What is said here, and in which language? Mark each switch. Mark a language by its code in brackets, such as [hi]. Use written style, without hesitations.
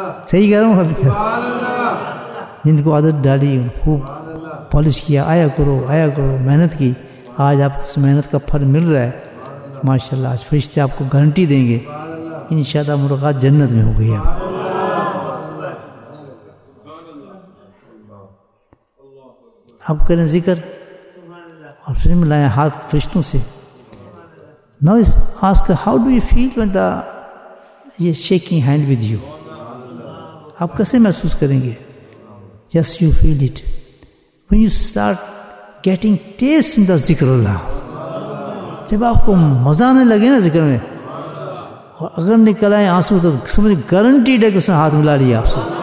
[ur] صحیح کہہ رہا ہوں خالق, جن کو عادت ڈالی, خوب پالش کیا, آیا کرو آیا کرو, محنت کی, آج آپ کو اس محنت کا پھل مل رہا ہے ماشاء اللہ. آج فرشتے آپ کو گارنٹی دیں گے ان شاء اللہ مرغا جنت میں ہو گیا. آپ کریں ذکر اور پھر ملائیں ہاتھ فرشتوں سے. [en] Now ask, how do you feel when the shaking hand with you? [ur] آپ کیسے محسوس کریں گے؟ [en] Yes, you feel it. When you start getting taste in the zikrullah, [ur] جب آپ کو مزہ آنے لگے نا ذکر میں, اور اگر نکل آئے آنسو تو سمجھ گارنٹیڈ ہے کہ اس نے ہاتھ ملا لیا آپ سے.